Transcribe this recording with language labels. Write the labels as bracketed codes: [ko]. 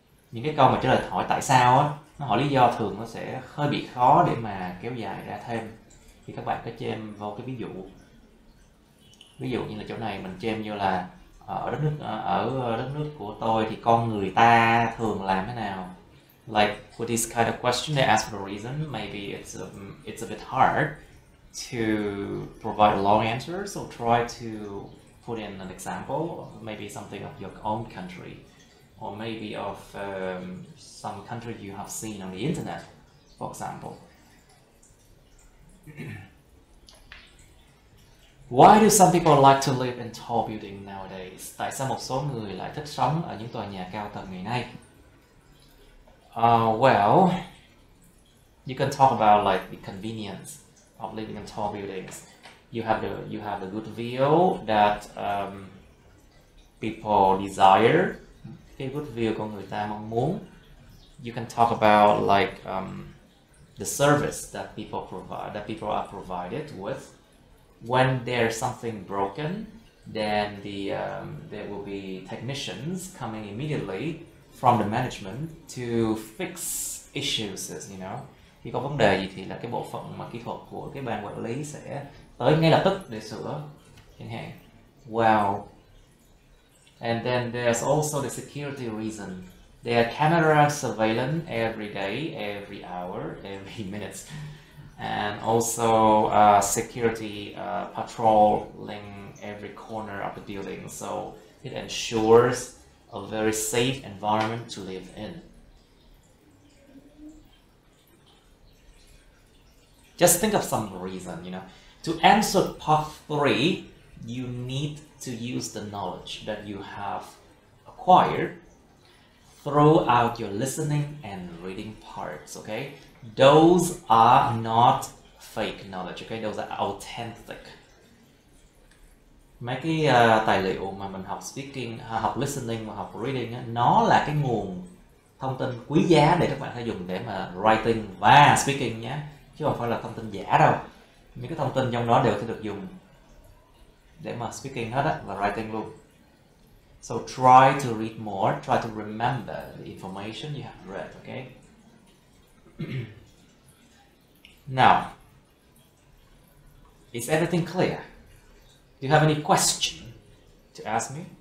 [vi] Những cái câu mà trả lời hỏi tại sao á, nó hỏi lý do thường nó sẽ hơi bị khó để mà kéo dài ra thêm. Thì các bạn có chêm vô cái ví dụ. Ví dụ như là chỗ này mình chêm vô là ở đất nước của tôi thì con người ta thường làm thế nào. [en] Like for this kind of question they ask for a reason, maybe it's a bit hard to provide a long answer, so try to put in an example, maybe something of your own country. Or maybe of some country you have seen on the internet, for example. Why do some people like to live in tall buildings nowadays? [vi] Tại sao một số người lại thích sống ở những tòa nhà cao tầng ngày nay? [en] Well, you can talk about like the convenience of living in tall buildings. you have the good view that people desire. [vi] Cái good view của người ta mong muốn. [en] You can talk about like the service that people provide, that people are provided with. When there's something broken, then there will be technicians coming immediately from the management to fix issues, you know. [vi] Khi có vấn đề gì thì là cái bộ phận mà kỹ thuật của cái ban quản lý sẽ tới ngay lập tức để sửa chẳng hạn. [en] Wow. And then there's also the security reason. There are camera surveillance every day, every hour, every minute. And also security patrolling every corner of the building. So it ensures a very safe environment to live in. Just think of some reason, you know. To answer part three, you need to use the knowledge that you have acquired throughout your listening and reading parts, okay? Those are not fake knowledge, okay? Those are authentic. [vi] Mấy cái tài liệu mà mình học speaking, học listening và học reading, nó là cái nguồn thông tin quý giá để các bạn có thể dùng để mà writing và speaking nhé. Chứ không phải là thông tin giả đâu. Những cái thông tin trong đó đều sẽ được dùng để mà speaking hết á, và writing luôn. [en] So try to read more, try to remember the information you have read, okay? Now, is everything clear? Do you have any question to ask me?